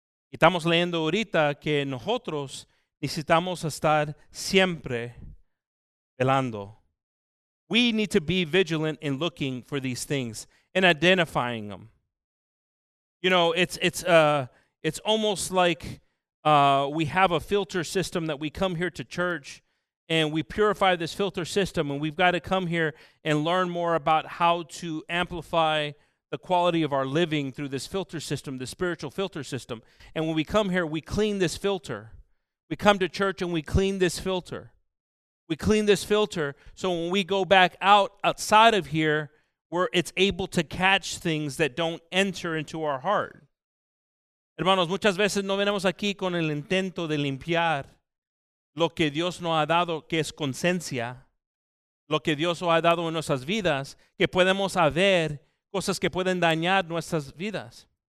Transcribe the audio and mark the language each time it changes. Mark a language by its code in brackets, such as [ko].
[es] Y estamos leyendo ahorita que nosotros necesitamos estar siempre velando. [en] We need to be vigilant in looking for these things and identifying them. You know, it's almost like we have a filter system that we come here to church and we purify this filter system, and we've got to come here and learn more about how to amplify the quality of our living through this filter system, the spiritual filter system. And when we come here, we clean this filter. We come to church and we clean this filter. We clean this filter so when we go back outside of here, where it's able to catch things that don't enter into our heart. [es] Hermanos, muchas veces no venimos aquí con el intento de limpiar lo que Dios nos ha dado, que es conciencia, lo que Dios nos ha dado en nuestras vidas, que podemos haber cosas que pueden dañar nuestras vidas.